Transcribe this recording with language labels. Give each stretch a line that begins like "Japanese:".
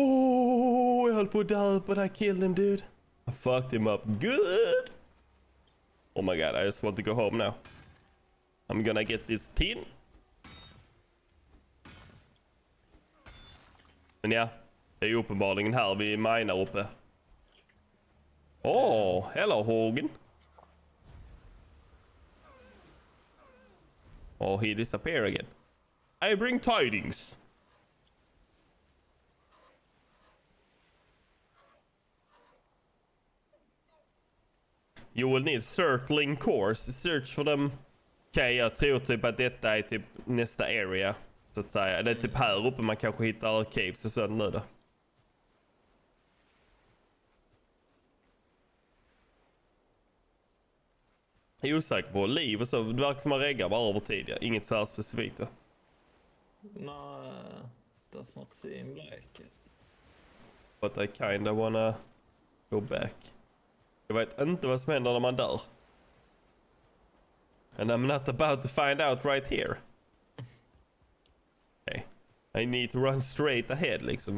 Swedish: oh, jag höll på att dö,
English: but I killed him, dude. I fucked him up good! Oh my god, I just want to go home now. I'm gonna get this Tin.
Swedish: Men ja, det är ju uppenbarligen här vi minar uppe.
English: Åh, hello Hogan. Oh, he disappeared again. I bring tidings. You will need circling cores. Search for them.
Swedish: Okej, jag tror typ att detta är typ nästa area. Så att säga. Det är typ här uppe man kanske hittar caves och sådant nu då. Jag är osäker på liv och så. Det verkar som att man reggar bara över tid. Ja. Inget så här specifikt. Ja.
English: No, that's not seem like it. But I kinda wanna go back.
Swedish: Jag vet inte vad som händer när man dör.
English: And I'm not about to find out right here. Okej. Okay. I need to run straight ahead
Swedish: liksom.